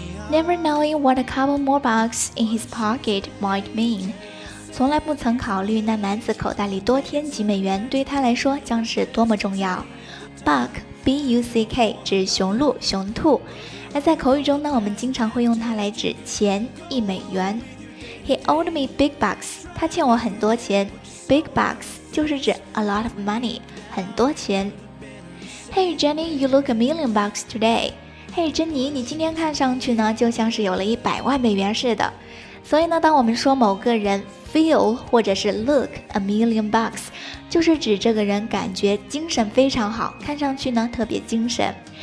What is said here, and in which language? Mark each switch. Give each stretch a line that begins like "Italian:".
English: Never knowing what a couple more bucks in his pocket might mean，
Chinese: 从来不曾考虑那男子口袋里多添几美元对他来说将是多么重要。 Buck, B-U-C-K 指雄鹿、雄兔，而在口语中呢，我们经常会用它来指钱、一美元。
English: He owed me big bucks，
Chinese: 他欠我很多钱。
English: Big bucks
Chinese: 就是指
English: a lot of money，
Chinese: 很多钱。
English: Hey Jenny, you look a million bucks today。
Chinese: 嘿，珍妮，你今天看上去呢，就像是有了100万美元似的。所以呢，当我们说某个人 feel 或者是
English: look a million bucks，
Chinese: 就是指这个人感觉精神非常好，看上去呢特别精神。